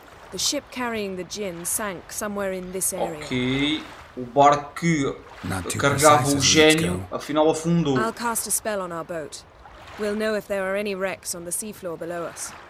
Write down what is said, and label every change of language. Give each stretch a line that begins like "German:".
English: The ship carrying the djinn sank somewhere in this area. Ok.
Portuguese: O barco que carregava o gênio afinal afundou.
English: I'll cast a spell on our boat. We'll know if there are any wrecks on the seafloor below us.